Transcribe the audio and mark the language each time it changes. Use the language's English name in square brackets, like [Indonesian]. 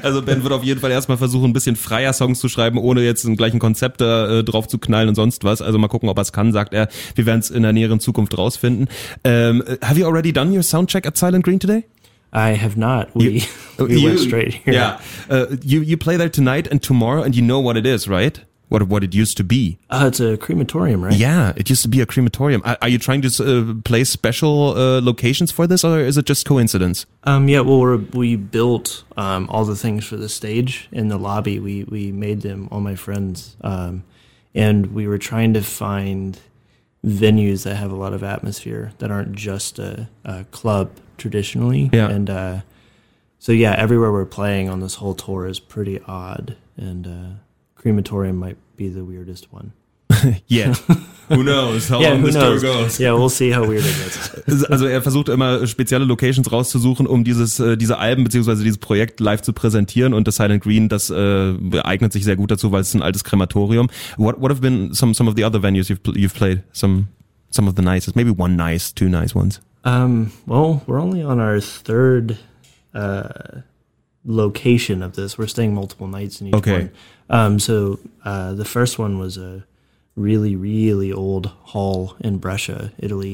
[German] Also Ben wird auf jeden Fall erstmal versuchen, ein bisschen freier Songs zu schreiben, ohne jetzt einen gleichen Konzept da drauf zu knallen und sonst was. Also mal gucken, ob er es kann, sagt er. Wir werden es in der näheren Zukunft rausfinden. [English] Have you already done your soundcheck at Silent Green today? I have not. We went straight here. Yeah. You play there tonight and tomorrow and you know what it is, right? What it used to be. It's a crematorium, right? Yeah, it used to be a crematorium. Are you trying to play special locations for this, or is it just coincidence? We built all the things for the stage in the lobby. We made them, all my friends. And we were trying to find venues that have a lot of atmosphere that aren't just a club traditionally. Yeah. And so, everywhere we're playing on this whole tour is pretty odd. And crematorium might be the weirdest one. Yeah. Who knows how long this tour goes. Yeah, we'll see how weird it gets. [German] Also er versucht immer spezielle Locations rauszusuchen, um diese Alben bzw. dieses Projekt live zu präsentieren und das Silent Green, das eignet sich sehr gut dazu, weil es ein altes Krematorium. [English] What have been some of the other venues you've played? Some of the nicest, maybe one nice, two nice ones. We're only on our third location of this. We're staying multiple nights in each okay. one. So the first one was a really, really old hall in Brescia, Italy.